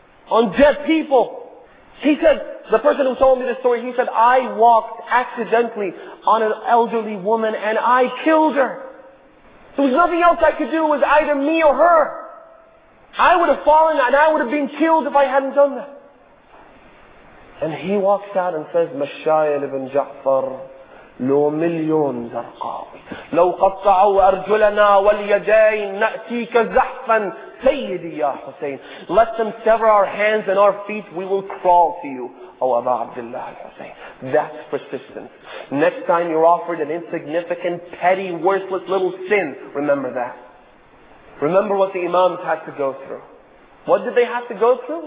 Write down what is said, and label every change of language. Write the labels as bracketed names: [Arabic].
[English] On dead people. He said, the person who told me this story, he said, I walked accidentally on an elderly woman and I killed her. There was nothing else I could do. It was either me or her. I would have fallen and I would have been killed if I hadn't done that. And he walks out and says, Mashayil ibn Ja'far, [Arabic] لو مليون زرقاء لو قطعوا أرجلنا واليدين نأتيك زحفا سيدي يا حسين. [English] Let them sever our hands and our feet, we will crawl to you, O Abu Abdullah al-Husayn. That's persistence. Next time you're offered an insignificant, petty, worthless little sin, remember that. Remember what the imams had to go through. What did they have to go through?